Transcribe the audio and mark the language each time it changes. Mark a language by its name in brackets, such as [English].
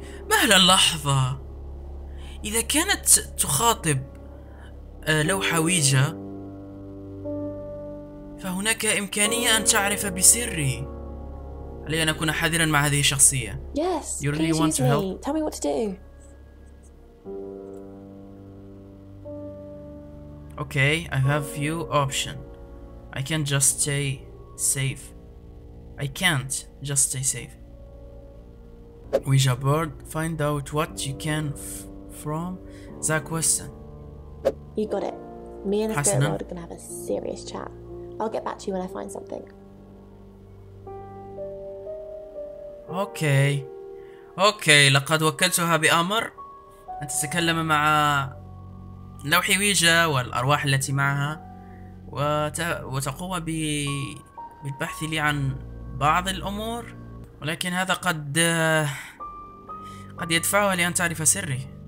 [Arabic] مهلا, لحظة, إذا كانت تخاطب لوحة ويجا فهناك إمكانية أن تعرف بسري. علي أن أكون حذرا مع هذه الشخصية. [English] Yes, you really want to help? Tell me what to do. Okay, I have few options. I can just stay safe. I can't just stay safe. Ouija board, find out what you can from that question. You got it. Me and the spirit world are gonna have a serious chat. I'll get back to you when I find something. [Arabic] Okay, لقد وكلتها بأمر أن تتكلم مع لوحي ويجا والأرواح التي معها وتقوم بالبحث لي عن بعض الأمور, ولكن هذا قد يدفعها لأن تعرف سري.